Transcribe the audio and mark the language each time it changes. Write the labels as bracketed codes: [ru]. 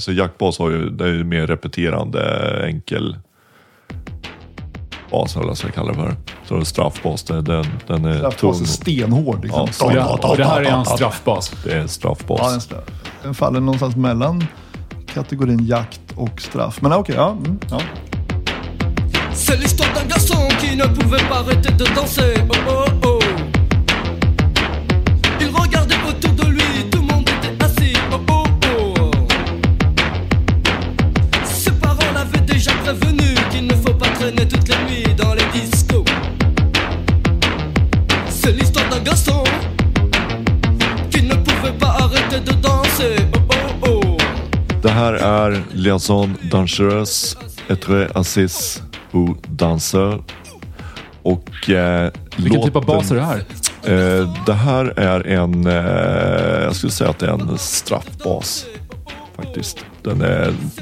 [sv] Så jackbas har ju, det är ju mer repeterande enkel bas, eller så kallar det för. Så det är straffbas, den är straffbas tung. Är stenhård liksom. Ja, det här är en straffbas. Det är en straffbas. Ja, den faller någonstans mellan kategorin jakt och straff. Men okej, okay, ja. [fr] C'est l'histoire d'un garçon qui ne pouvait pas arrêter de danser. Oh oh oh. Il regardait autour de lui, tout le monde était assis. Oh oh oh. Ses parents l'avaient déjà prévenu qu'il ne faut pas traîner toute la nuit dans les discos. C'est l'histoire d'un garçon qui ne pouvait pas arrêter de danser. Oh oh oh. [sv] Det här är Liaison Dangereuse, [fr] être assis. Danser. [sv] Och vilken typ av bas är det här? Det här är en jag skulle säga att det är en straffbas faktiskt. Den är